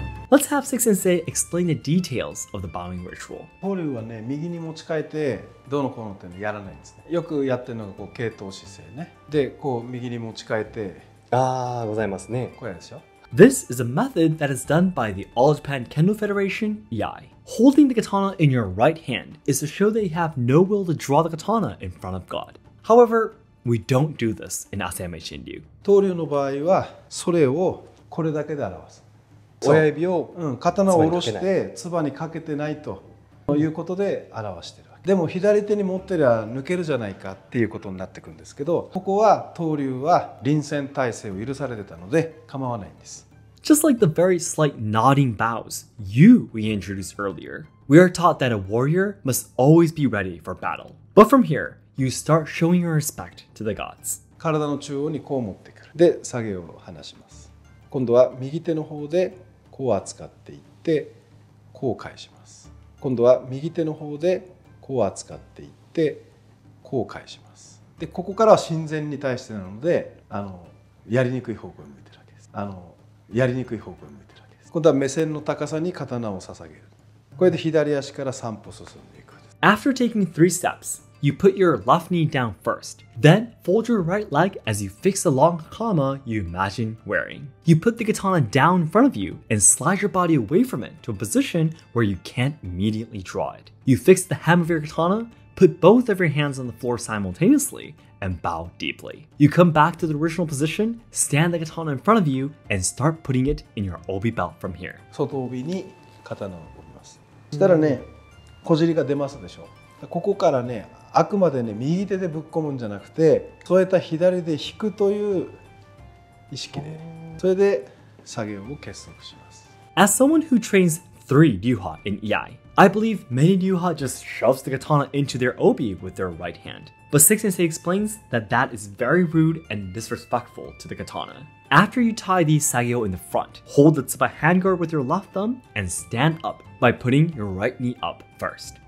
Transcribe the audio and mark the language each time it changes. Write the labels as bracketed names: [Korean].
[English] Let's have Seki Sensei explain the details of the bowing ritual. [Japanese] Hori はね、右に持ち替えてどうのこうのっていうのやらないんですね。よくやってるのがこう傾倒姿勢ね。で、こう右に持ち替えて。ああ、ございますね。これでしょ。 [English] This is a method that is done by the All Japan Kendo Federation, Iai. Holding the katana in your right hand is to show that you have no will to draw the katana in front of God. However, we don't do this in Asayama Ichiden Ryu. [Japanese] Toryu の場合はそれをこれだけで表す。親指を、刀を下ろして唾にかけてないということで表してるわけ。でも左手に持ってりゃ抜けるじゃないかっていうことになってくるんですけど、ここは東流は臨戦態勢を許されてたので構わないんです。 [English] Just like the very slight nodding bows you we introduced earlier, we are taught that a warrior must always be ready for battle. But from here, you start showing your respect to the gods. [Japanese] 体の中央にこう持ってくる。で、下げを離します。今度は右手の方でこう扱っていってこう返します。今度は右手の方でこう扱っていってこう返します。で、ここからは神前に対してなので、やりにくい方向に向いてるわけです。やりにくい方向に向いてるわけです。今度は目線の高さに刀を捧げる。これで左足から3歩進んでいく。 [English] After taking three steps, you put your left knee down first. Then fold your right leg as you fix the long katana you imagine wearing. You put the katana down in front of you and slide your body away from it to a position where you can't immediately draw it. You fix the hem of your katana, put both of your hands on the floor simultaneously, and bow deeply. You come back to the original position, stand the katana in front of you, and start putting it in your obi belt from here. [Japanese] 外帯に刀を置きます。したらね、こじりが出ますでしょう。ここからね、あくまでね、右手でぶっ込むんじゃなくて、添えた左で引くという意識で、それで作業を結束します。 [English] As someone who trains three ryuha in Iai, I believe many ryuha just shoves the katana into their obi with their right hand. But Six Sensei explains that that is very rude and disrespectful to the katana. After you tie the sagyo in the front, hold the tsuba handguard with your left thumb and stand up by putting your right knee up first.